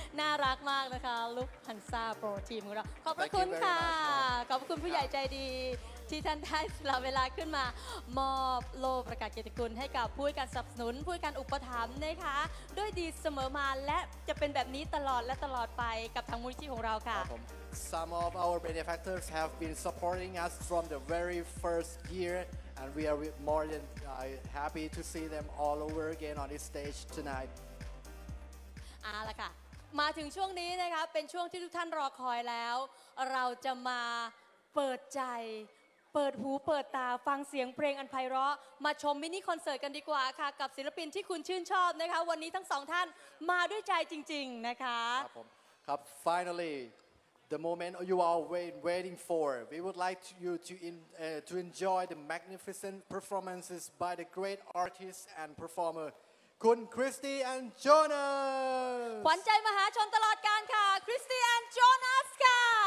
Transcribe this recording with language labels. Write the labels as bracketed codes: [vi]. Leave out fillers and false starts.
[th] น่ารักมากนะคะ Lufthansa Pro Team ของเราขอบพระคุณค่ะขอบคุณผู้ใหญ่ใจดีที่ท่านได้สละเวลาขึ้นมามอบโล่ประกาศเกียรติคุณให้กับผู้การสนับสนุนผู้การอุปถัมภ์นะคะด้วยดีเสมอมาและจะเป็นแบบนี้ตลอดและตลอดไปกับทางมูลนิธิของเราค่ะ [en] Some of our benefactors have been supporting us from the very first yearAnd we are more than happy to see them all over again on this stage tonight. [th] ล่ะค่ะมาถึงช่วงนี้นะคะเป็นช่วงที่ทุกท่านรอคอยแล้วเราจะมาเปิดใจเปิดหูเปิดตาฟังเสียงเพลงอันไพเราะมาชมมินิคอนเสิร์ตกันดีกว่าค่ะกับศิลปินที่คุณชื่นชอบนะคะวันนี้ทั้งสองท่านมาด้วยใจจริงๆนะคะ ครับผมครับ [en] finally The moment you are waiting for, we would like you to enjoy the magnificent performances by the great artists and performer, Kun Kristy and Jonas. [th] ขวัญใจมหาชนตลอดกาลค่ะ Kristy and Jonas ค่ะ